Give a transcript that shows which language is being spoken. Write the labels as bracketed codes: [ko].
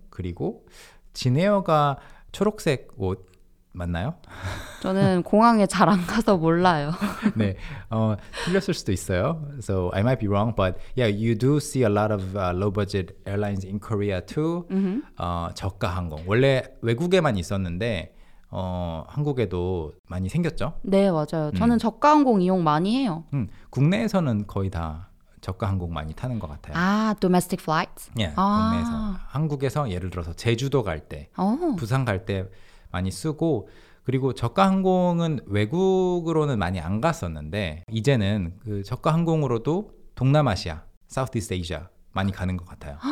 [ko] 그리고 진에어가 초록색 옷. 맞나요? 저는 공항에 잘 안 가서 몰라요. 네, 틀렸을 수도 있어요. [en] So I might be wrong, but yeah, you do see a lot of low-budget airlines in Korea too. [ko] 저가 항공. 원래 외국에만 있었는데 한국에도 많이 생겼죠? 네, 맞아요. 저는 저가 항공 이용 많이 해요. 국내에서는 거의 다 저가 항공 많이 타는 것 같아요. [en] 아, domestic flights? [ko] 네, 국내에서. 한국에서 예를 들어서 제주도 갈 때, 부산 갈 때 많이 쓰고 그리고 저가 항공은 외국으로는 많이 안 갔었는데 이제는 그 저가 항공으로도 동남아시아, Southeast Asia 많이 가는 것 같아요.